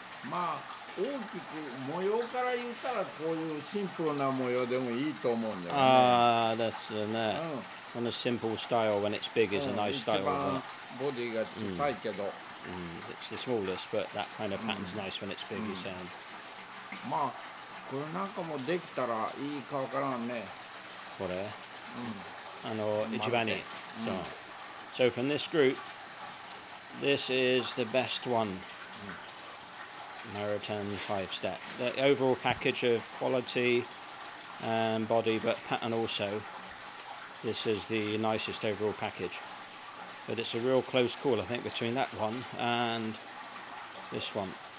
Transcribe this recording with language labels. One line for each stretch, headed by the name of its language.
Japanese: まあ、大きく模様から言ったらこういうシンプルな模様でもいいと思うんだよね。ああ、ですね。このシンプルスタイル、
English: when it's big, is a nice style.
Japanese: 一番ボディが小さいけど。
English: It's the smallest, but that kind of pattern's nice when it's big, you say.
Japanese: まあ、これなんかもできたらいいかわからんね。これ。あの、一番いい。そう。
English: So from this group, this is the best one. Maritime 5 step. The overall package of quality and body, but pattern also. This is the nicest overall package. But it's a real close call, I think, between that one and this one.